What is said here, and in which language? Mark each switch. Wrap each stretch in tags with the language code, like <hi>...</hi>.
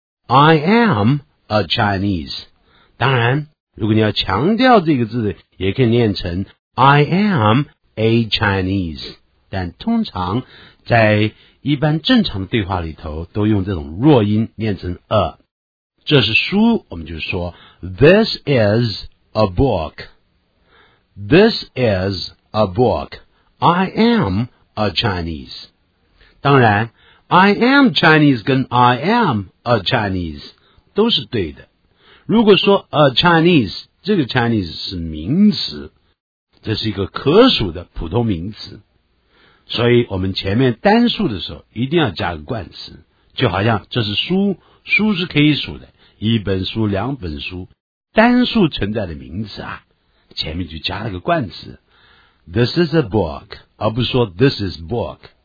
<en>I am a Chinese，</en> <zh>当然如果你要强调这个字也可以念成 I am a Chinese， 但通常在一般正常的对话里头都用这种弱音念成 A。这是书，我们就说</zh> <en>This is a book. This is a book. I am a Chinese.</en> <zh>当然</zh> <en>I am Chinese</en> <zh>跟</zh> <en>I am a Chinese</en> <zh>都是对的。如果说 a Chinese， 这个 Chinese 是名词，这是一个可数的普通名词，所以我们前面单数的时候一定要加个冠词，就好像这是书，书是可以数的，一本书两本书，单数存在的名词啊，前面就加了个冠词</zh> <en>This is a book，</en> <zh>而不是说</zh> <en>This is book。</en>